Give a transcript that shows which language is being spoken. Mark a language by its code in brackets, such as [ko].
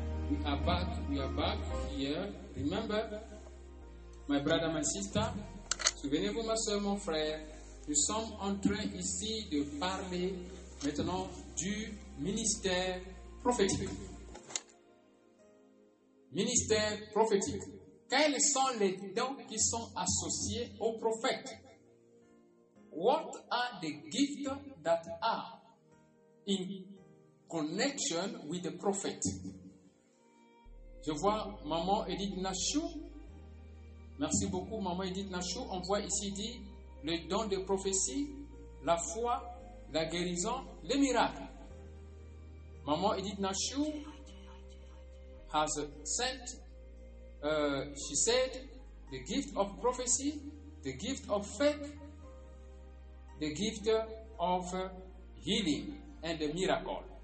[en] We are back here. Remember, my brother, my sister, [fr] souvenez-vous, ma soeur, mon frère, nous sommes en train ici de parler maintenant du ministère prophétique. Ministère prophétique. Quels sont les dons qui sont associés aux prophètes? [en] What are the gifts that are in connection with the prophet? [fr] Je vois maman Edith Nachou. Merci beaucoup, maman Edith Nachou. On voit ici dit le don de prophétie, la foi, la guérison, les miracles. [en] Maman Edith Nachou has sent, she said, the gift of prophecy, the gift of faith, the gift of healing and the miracle.